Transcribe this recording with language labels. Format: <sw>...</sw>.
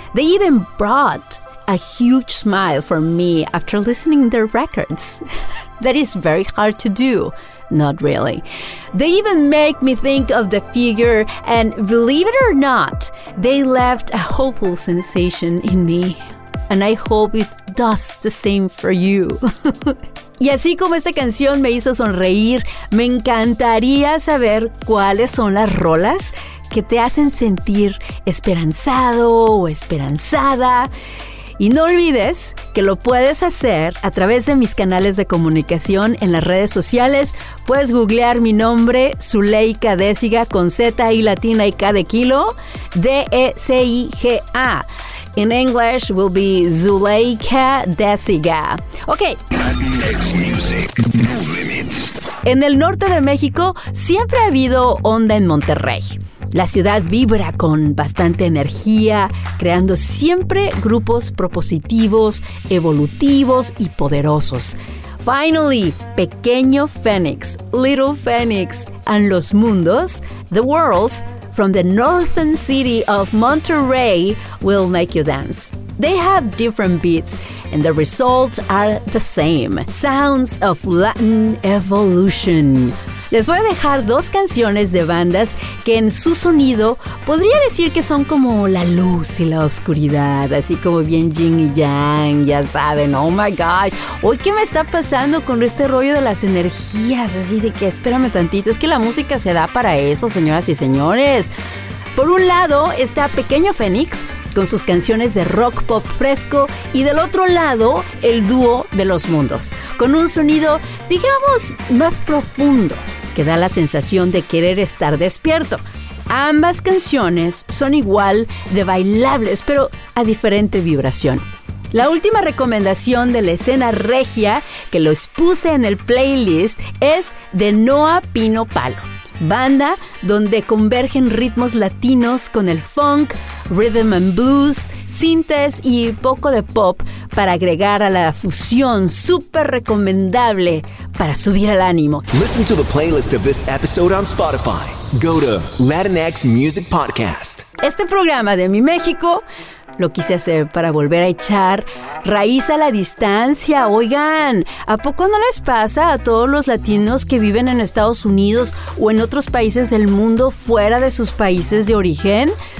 <en>They even brought a huge smile for me after listening their records. That is very hard to do. Not really. They even make me think of the figure, and believe it or not, they left a hopeful sensation in me. And I hope it does the same for you.</en> <es>Y así como esta canción me hizo sonreír, me encantaría saber cuáles son las rolas que te hacen sentir esperanzado o esperanzada. Y no olvides que lo puedes hacer a través de mis canales de comunicación en las redes sociales. Puedes googlear mi nombre, Zuleika Désiga, con Z y latina y K de kilo, D-E-C-I-G-A.</es> <en>In English will be Zuleika Désiga. Okay.</en> <es>En el norte de México siempre ha habido onda en Monterrey. La ciudad vibra con bastante energía, creando siempre grupos propositivos, evolutivos y poderosos.</es> <en>Finally, Pequeño Fénix, Little Fénix, and Los Mundos, The Worlds, from the northern city of Monterrey will make you dance. They have different beats and the results are the same. Sounds of Latin evolution.</en> <es>Les voy a dejar dos canciones de bandas que en su sonido podría decir que son como la luz y la oscuridad, así como bien yin y yang, ya saben,</es> <en>oh my gosh,</en> <es>hoy qué me está pasando con este rollo de las energías, así de que espérame tantito, es que la música se da para eso, señoras y señores. Por un lado está Pequeño Fénix, con sus canciones de rock pop fresco, y del otro lado, el dúo de los mundos, con un sonido, digamos, más profundo, que da la sensación de querer estar despierto. Ambas canciones son igual de bailables, pero a diferente vibración. La última recomendación de la escena regia, que los puse en el playlist, es de Noa Pino Palo, banda donde convergen ritmos latinos con el funk, rhythm and blues, synths y poco de pop para agregar a la fusión súper recomendable para subir el ánimo.</es> <en>Listen to the playlist of this episode on Spotify. Go to Latinx Music Podcast.</en> <es>Este programa de Mi México lo quise hacer para volver a echar raíz a la distancia. Oigan, ¿a poco no les pasa a todos los latinos que viven en Estados Unidos o en otros países del mundo fuera de sus países de origen?</es>